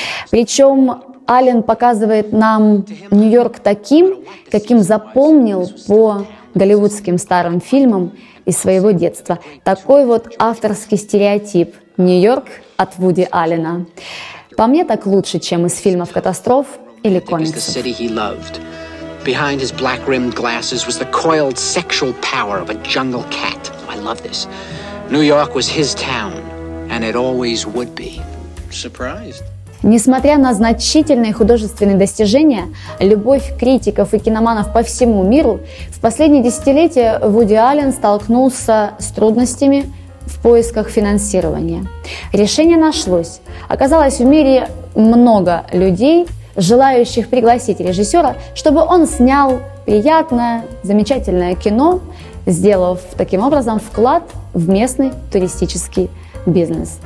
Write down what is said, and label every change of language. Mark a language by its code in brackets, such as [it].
[ru] Причем Аллен показывает нам Нью-Йорк таким, каким запомнил по голливудским старым фильмам из своего детства. Такой вот авторский стереотип «Нью-Йорк» от Вуди Аллена. По мне, так лучше, чем из фильмов катастроф или комиксов. [en] Behind his black-rimmed glasses was the coiled sexual power of a jungle cat. I love this. New York was his town, and it always would be. Surprised. [ru] Несмотря на значительные художественные достижения, любовь критиков и киноманов по всему миру, в последние десятилетия Вуди Аллен столкнулся с трудностями в поисках финансирования. Решение нашлось. Оказалось, в мире много людей, желающих пригласить режиссера, чтобы он снял приятное, замечательное кино, сделав таким образом вклад в местный туристический бизнес.